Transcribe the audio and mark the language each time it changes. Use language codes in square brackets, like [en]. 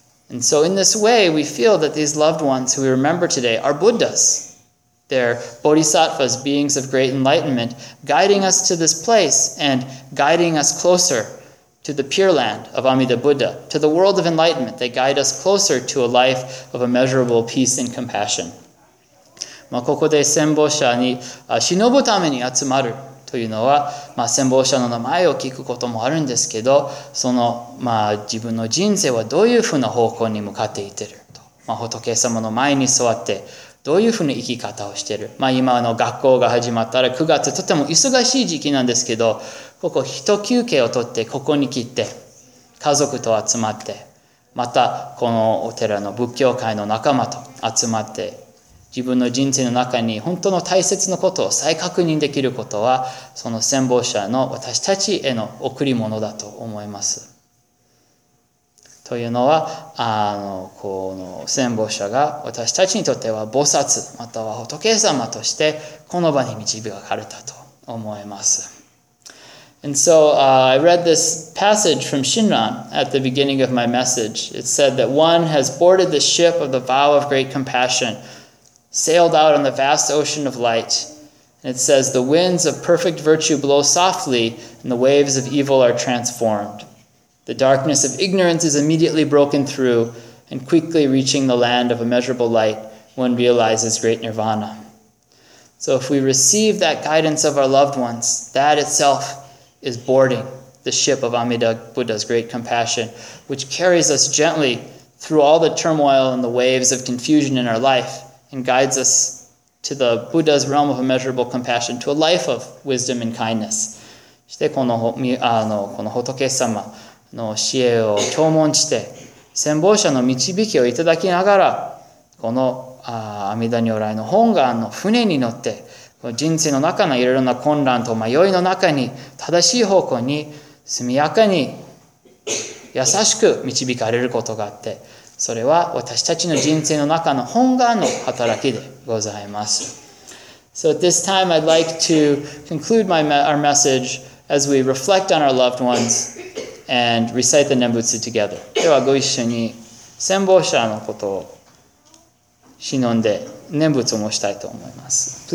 [en] And so in this way, we feel that these loved ones who we remember today are Buddhas. They're bodhisattvas, beings of great enlightenment, guiding us to this place and guiding us closer to the pure land of Amida Buddha, to the world of enlightenment. They guide us closer to a life of immeasurable peace and compassion. [ja] まあ、ここで戦没者に忍ぶために集まるというのは、まあ、戦没者の名前を聞くこともあるんですけど、その、まあ、自分の人生はどういうふうな方向に向かっていってると、まあ、仏様の前に座ってどういうふうな生き方をしている、まあ、今の学校が始まったら9月とても忙しい時期なんですけど、ここ一休憩をとってここに来て家族と集まって、またこのお寺の仏教会の仲間と集まって、自分の人生の中に本当の大切なことを再確認できることは、その戦没者の私たちへの贈り物だと思います。というのは、この戦没者が私たちにとっては菩薩、または仏様としてこの場に導かれたと思います。 [en] And so, I read this passage from Shinran at the beginning of my message. It said that one has boarded the ship of the vow of great compassion. Sailed out on the vast ocean of light. And it says, the winds of perfect virtue blow softly, and the waves of evil are transformed. The darkness of ignorance is immediately broken through, and quickly reaching the land of immeasurable light, one realizes great nirvana. So if we receive that guidance of our loved ones, that itself is boarding the ship of Amida Buddha's great compassion, which carries us gently through all the turmoil and the waves of confusion in our life. And guides us to the Buddha's realm of immeasurable compassion, to a life of wisdom and kindness. [ja] そしてこの仏様の教えを弔問して、戦没者の導きをいただきながら、この阿弥陀如来の本願の船に乗って、この人生の中のいろいろな混乱と迷いの中に、正しい方向に速やかに優しく導かれることがあって、それは私たちの人生の中の本願の働きでございます。 [en] So at this time, I'd like to conclude our message as we reflect on our loved ones and recite the Nembutsu together. [ja] ではご一緒に戦没者のことを忍んで念仏を申したいと思います。